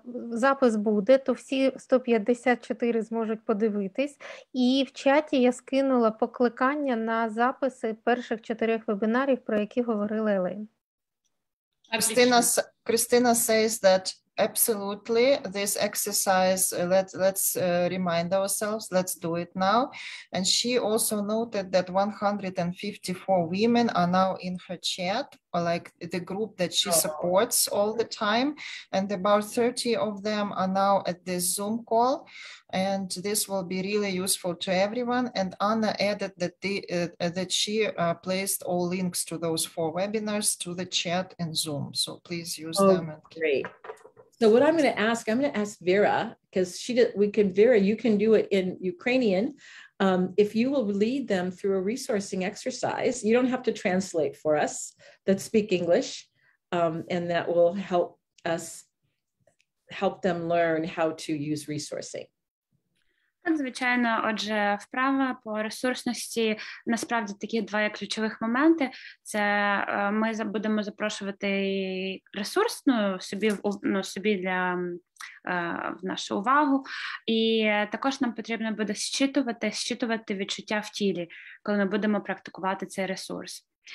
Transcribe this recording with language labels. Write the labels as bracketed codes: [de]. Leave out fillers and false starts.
[uk] Запис буде, то всі 154 зможуть подивитись. І в чаті я скинула покликання на записи перших 4 вебінарів, про які говорила Елейн. [en] Кристина says that absolutely, this exercise, let's remind ourselves, let's do it now. And she also noted that 154 women are now in her chat, or like the group that she supports all the time. And about 30 of them are now at this Zoom call. And this will be really useful to everyone. And Anna added that placed all links to those 4 webinars to the chat in Zoom. So please use them. And great. So what I'm going to ask, Vera, because Vera, you can do it in Ukrainian. If you will lead them through a resourcing exercise, you don't have to translate for us that speak English, and that will help them learn how to use resourcing. [uk] Звичайно, отже, вправа по ресурсності, насправді, такі 2 є ключових моменти. Це ми будемо запрошувати ресурсну собі для в нашу увагу. І також нам потрібно буде зчитувати відчуття в тілі, коли ми будемо практикувати цей ресурс.